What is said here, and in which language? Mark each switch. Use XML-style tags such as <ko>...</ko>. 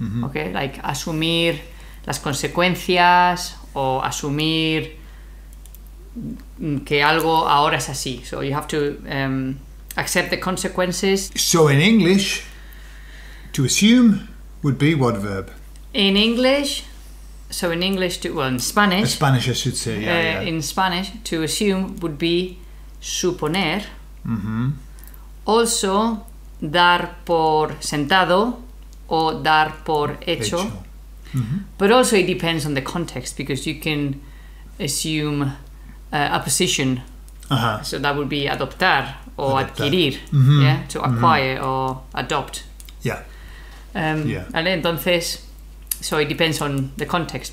<en>Okay, like</en> <es>asumir las consecuencias o asumir que algo ahora es así.</es> <en>So you have to accept the consequences. So in English, to assume would be what verb? In English, in Spanish. In Spanish, I should say, yeah. In Spanish, to assume would be suponer.</en> <es>Also, dar por sentado o dar por hecho.</es> <en>But also it depends on the context because you can assume a position. So that would be adoptar or adquirir. Yeah, to acquire or adopt. Yeah.</en> <es>Entonces,</es> <en>so it depends on the context.</en>